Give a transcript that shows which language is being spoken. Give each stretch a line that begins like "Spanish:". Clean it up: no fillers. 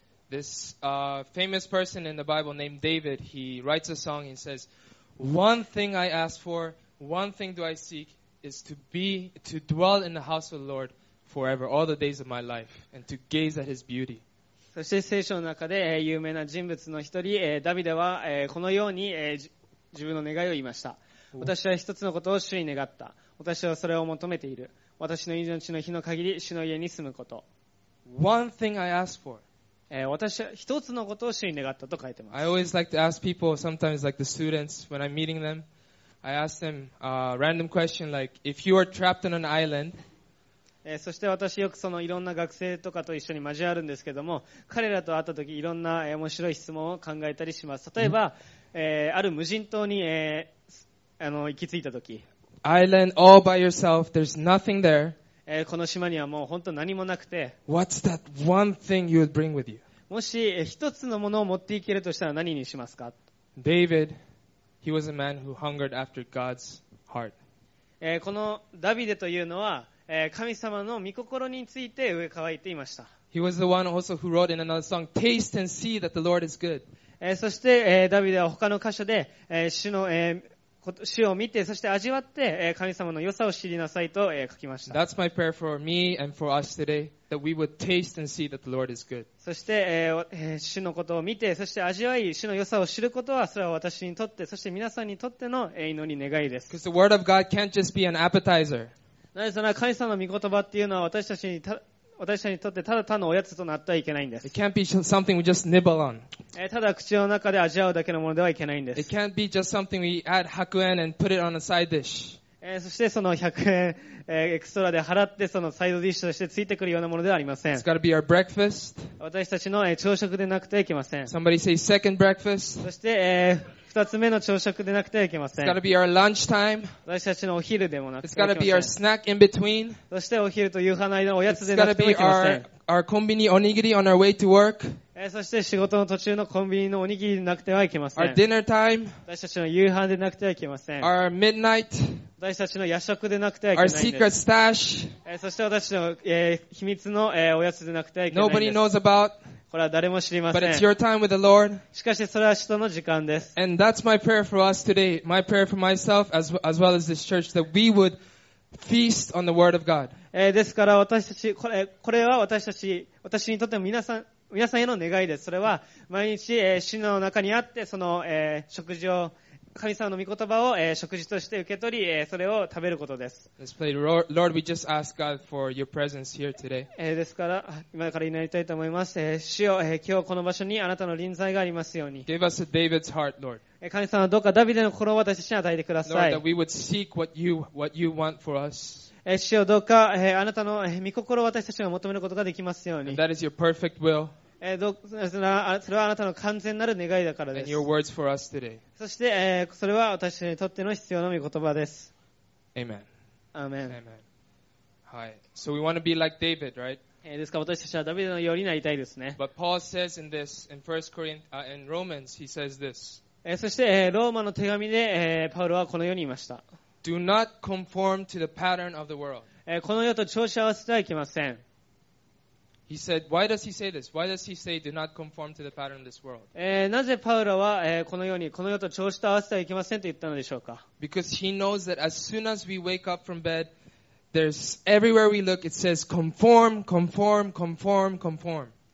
English: This famous person in the Bible named David, he writes a song and says, One thing I ask for, One thing do I seek is to dwell in the house of the Lord forever, all the days of my life, and to gaze at His beauty.
Japanese: そして聖書の中で有名な人物の一人ダビデはこのように自分の願いを言いました。私は一つのことを主に願った。私はそれを求めている。私の命の日の限り主の家に住むこと。
English: One thing I ask for.
Japanese: 私は一つのことを主に願ったと書いてます。
English: I always like to ask people, sometimes like the students, when I'm meeting them, I ask them a random question like, if you are trapped on an island
Japanese: そして私よくそのいろんな学生とかと一緒に交わるんですけども、彼らと会った時いろんな面白い質問を考えたりします。例えば、ある無人島に、行き着いた時、
English: Island all by yourself, there's nothing there.
Japanese: この島にはもう本当何もなくて、
English: What's that one thing you would bring with you?
Japanese: もし一つのものを持っていけるとしたら何にしますか？
English: David, he was a man who hungered after God's heart.
Japanese: このダビデというのは神様の御心について飢え渇いていました。
English: He was the one also who wrote in another song, "Taste and see that the Lord is good."
Japanese: そしてダビデは他の箇所で主を見てそして味わって神様の良さを知りなさいと書きました。
English: That's my prayer for me and for us today, that we would taste and see that the Lord is good.
Japanese: そして主のことを見てそして味わい主の良さを知ることはそれは私にとってそして皆さんにとっての祈り願いです。
English: Because the word of God can't just be an appetizer.
Japanese: なぜなら神様の御言葉っていうのは私たちにとってただ単のおやつとなってはいけないんです。
English: It can't be something we just nibble on.
Japanese: ただ口の中で味わうだけのものではいけないんです。
English: It can't be just something we add 100 yen and put it on a side dish.
Japanese: そしてその100円エクストラで払ってそのサイドディッシュとしてついてくるようなものではありません。
English: It's gotta be our breakfast.
Japanese: 私たちの朝食でなくてはいけません。
English: Somebody say second breakfast.
Japanese: そして二つ目の朝食でなくてはいけません。
English: It's gotta be our lunchtime.
Japanese: 私たちのお昼でもなくてはいけません。
English: It's gotta be our snack in between.
Japanese: そしてお昼と夕飯の間のおやつでなくてはいけません。
English: It's gotta be our
Japanese: コンビニおにぎり
English: on our way to work.
Japanese: そして仕事の途中のコンビニのおにぎりでなくてはいけません。
English: Our dinner time.
Japanese: 私たちの夕飯でなくてはいけません。
English: Our midnight.
Japanese: 私たちの夜食でなくてはいけないんです。
English: Our secret stash.
Japanese: そして私の秘密のおやつでなくてはいけないんです。
English: Nobody knows about.
Japanese: これは誰も知りません。
English: But it's your time with the Lord.
Japanese: しかしそれは人の時間です。
English: And that's my prayer for us today. My prayer for myself as well as this church that we would feast on the word of God.
Japanese: ですから私たちこれは私たち私にとっても皆さんへの願いです。それは毎日主の中にあってその食事を神様の御言葉を食事として受け取り、それを食べることです。
English: Lord, we just ask God for your presence here today.
Japanese: ですから、今から祈りたいと思います。主よ、今日この場所にあなたの臨在がありますように。
English: Give us a David's heart, Lord.
Japanese: 神様、どうかダビデの心を私たちに与えてください。
English: Lord, that we would seek what you want for us.
Japanese: 主よ、どうかあなたの御心を私たちが求めることができますように。
English: And that is your perfect will.
Japanese: それはあなたの完全なる願いだからです。
English: And your words for us today.
Japanese: そして、それは私にとっての必要な御言葉です。
English: Amen. Amen. Amen.
Japanese: はい。
English: So we want to be like David, right?
Japanese: ですから私たちはダビデのようになりたいですね。
English: But Paul says in this, in 1 Corinthians, in Romans, he says this.
Japanese: そして、ローマの手紙で、パウロはこのように言いました。
English: Do not conform to the pattern of the world.
Japanese: この世と調子合わせてはいけません。
English: He said, why does he say this? Why does he say, do not conform to the pattern of this world?
Japanese: なぜパウロは、このように、この世と調子と合わせてはいけませんと言ったのでしょうか?
English: Because he knows that as soon as we wake up from bed, there's everywhere we look, it says, conform, conform, conform, conform.